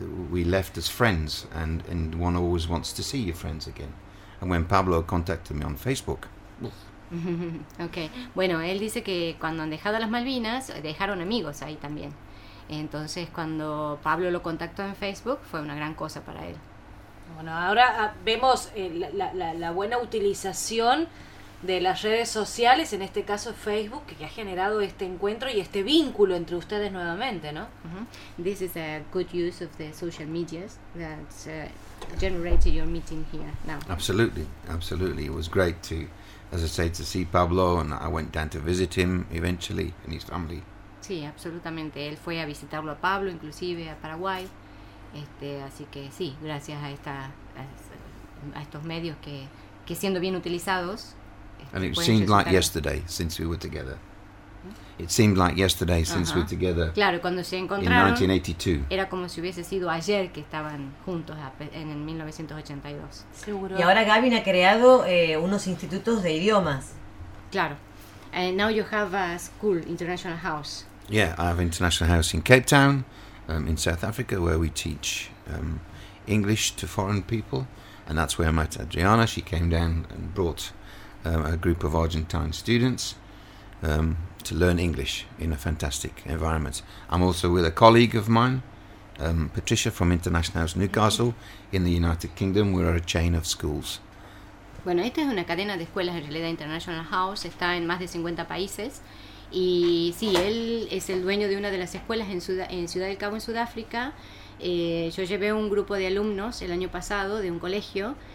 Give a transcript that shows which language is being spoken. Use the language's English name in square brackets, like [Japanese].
[English] We left as friends, and one always wants to see your friends again. And when Pablo contacted me on Facebook. Okay. [Spanish] Bueno, él dice que cuando han dejado las Malvinas, dejaron amigos ahí también. Entonces, cuando Pablo lo contactó en Facebook, fue una gran cosa para él. Bueno, ahora vemos la buena utilización de las redes sociales, en este caso Facebook, que ha generado este encuentro y este vínculo entre ustedes nuevamente, ¿no? [English] This is a good use of the social medias that generated your meeting here now. Absolutely, absolutely. It was great to, as I say, to see Pablo, and I went down to visit him eventually and his family. [Spanish] Sí, absolutamente. Él fue a visitarlo a Pablo, inclusive a Paraguay. Así que sí, gracias a estos medios que siendo bien utilizados. [English] And it seemed like yesterday since we were together. It seemed like yesterday since we were together. [Spanish] Claro, cuando se encontraron. [English] In 1982. [Spanish] Era como si hubiese sido ayer que estaban juntos en 1982. Seguro. Y ahora Gavin ha creado unos institutos de idiomas. Claro. [English] And now you have a school, International House. Yeah, I have International House in Cape Town, in South Africa, where we teach English to foreign people, and that's where I met Adriana. She came down and brought a group of Argentine students to learn English in a fantastic environment. I'm also with a colleague of mine, Patricia from International House Newcastle, in the United Kingdom. We are a chain of schools. [Spanish] Bueno, esta es una cadena de escuelas, en realidad International House está en más de 50 países. Y sí, él es el dueño de una de las escuelas en Ciudad del Cabo, en Sudáfrica. Yo llevé un grupo de alumnos el año pasado de un colegio.